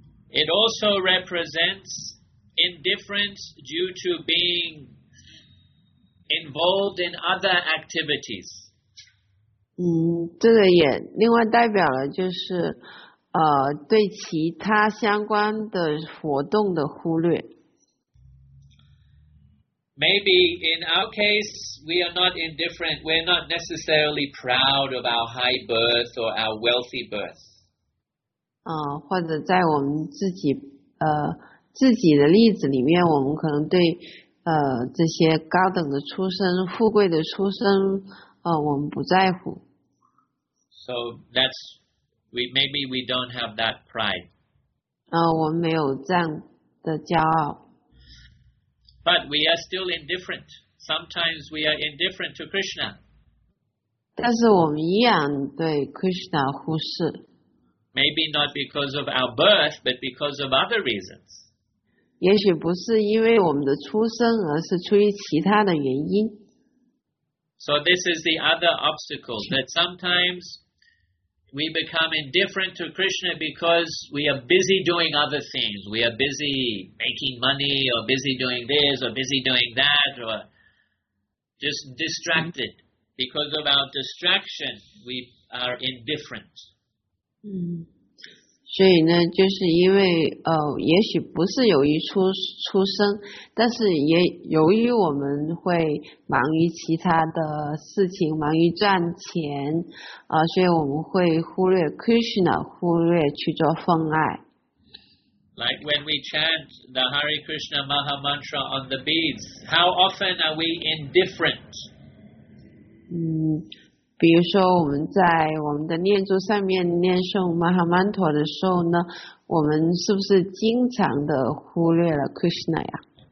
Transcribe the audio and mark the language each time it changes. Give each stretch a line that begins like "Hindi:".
English: It also represents indifference due to being involved in other activities.
Chinese: 这个也另外代表了就是对其他相关的活动的忽略。
English: Maybe in our case, we are not indifferent, we're not necessarily proud of our high birth or our wealthy birth.
Chinese: 或者在我们自己的例子里面，我们可能对这些高等的出身、富贵的出身，我们不在乎。
English: So that's maybe we don't have that pride.
Chinese: 我们没有这样的骄傲。
English: But we are still indifferent. Sometimes we are indifferent to Krishna.
Chinese: 但是我们依然对 Krishna 忽视。
English: Maybe not because of our birth, but because of other reasons.
Chinese: 也许不是因为我们的出生，而是出于其他的原因。
English: So this is the other obstacle, that sometimes we become indifferent to Krishna because we are busy doing other things. We are busy making money, or busy doing this, or busy doing that, or just distracted. Because of our distraction, we are indifferent.
Chinese: 所以呢，就是因为也许不是由于出生，但是也由于我们会忙于其他的事情，忙于赚钱，所以我们会忽略 Krishna， 忽略去做奉爱。
English: Like when we chant the Hare Krishna Maha Mantra on the beads, how often are we indifferent?
Chinese: 比如说我们在我们的念珠上面念诵 Maha Mantra 的时候呢，我们是不是经常的忽略了 Krishna 呀？